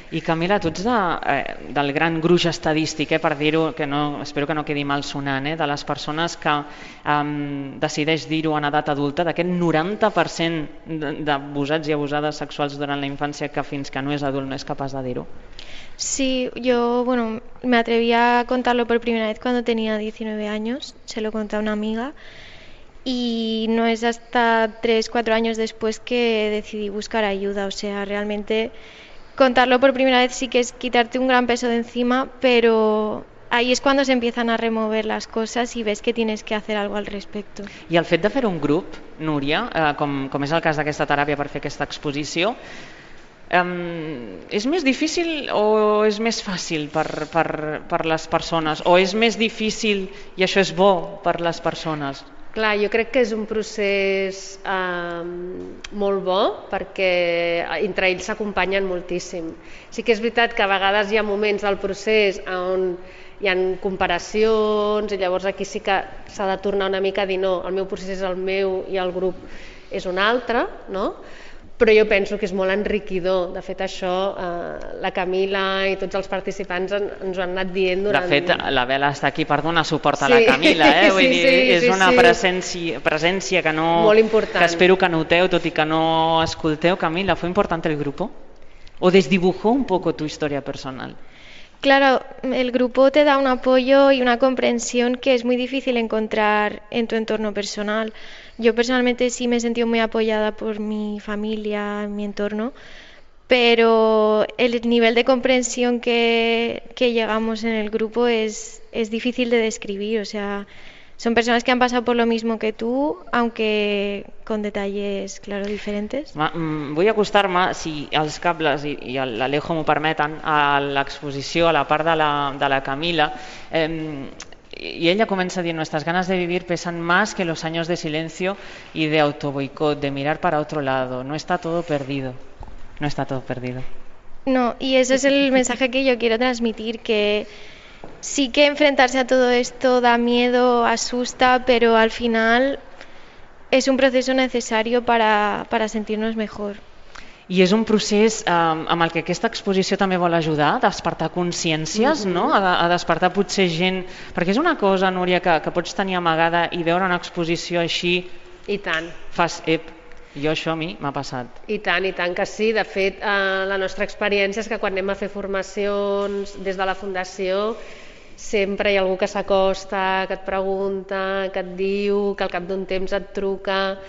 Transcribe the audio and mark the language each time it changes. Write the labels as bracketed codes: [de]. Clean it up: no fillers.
[ca] I Camila, tu ets de, del gran gruix estadístic, per dir-ho, que no, espero que no quedi mal sonant, de les persones que decideix dir-ho en edat adulta, d'aquest 90% d'abusats i abusades sexuals durant la infància que fins que no és adult no és capaç de dir-ho. [es] Sí, yo, bueno, me atreví a contarlo por primera vez cuando tenía 19 años, se lo conté a una amiga y no es hasta 3-4 años después que decidí buscar ayuda, o sea, realmente contarlo por primera vez sí que es quitarte un gran peso de encima, pero ahí es cuando se empiezan a remover las cosas y ves que tienes que hacer algo al respecto. [ca] I el fet de fer un grup, Núria, com és el cas d'aquesta teràpia per fer aquesta exposició, és més difícil o és més fàcil per les persones? O és més difícil i això és bo per les persones? Clar, jo crec que és un procés molt bo perquè entre ells s'acompanyen moltíssim. Sí que és veritat que a vegades hi ha moments del procés on hi ha comparacions i llavors aquí sí que s'ha de tornar una mica a dir no, el meu procés és el meu i el grup és un altre, no? Però jo penso que és molt enriquidor. De fet, això, la Camila i tots els participants ens ho han anat dient durant... De fet, la Bela està aquí per donar suport a la Camila, eh? Vull dir, és una presència que no... Molt important. Que espero que noteu, tot i que no escolteu. [es] Camila, ¿fue importante el grupo? ¿O desdibujó un poco tu historia personal? Claro, el grupo te da un apoyo y una comprensión que es muy difícil encontrar en tu entorno personal. Yo personalmente sí me he sentido muy apoyada por mi familia, mi entorno, pero el nivel de comprensión que llegamos en el grupo es difícil de describir. O sea, son personas que han pasado por lo mismo que tú, aunque con detalles, claro, diferentes. [ca] Vull acostar-me, si els cables i l'Alejo m'ho permeten, a l'exposició, a la part de la Camila. [es] Y ella comienza a decir, nuestras ganas de vivir pesan más que los años de silencio y de autoboicot, de mirar para otro lado. No está todo perdido. No está todo perdido. No, y ese es el mensaje que yo quiero transmitir, que sí que enfrentarse a todo esto da miedo, asusta, pero al final es un proceso necesario para sentirnos mejor. [ca] I és un procés amb el que aquesta exposició també vol ajudar, despertar consciències, no? A despertar potser gent... Perquè és una cosa, Núria, que pots tenir amagada i veure una exposició així... I tant. Fas, ep, jo això a mi m'ha passat. I tant que sí. De fet, la nostra experiència és que quan anem a fer formacions des de la Fundació, sempre hi ha algú que s'acosta, que et pregunta, que et diu, que al cap d'un temps et truca...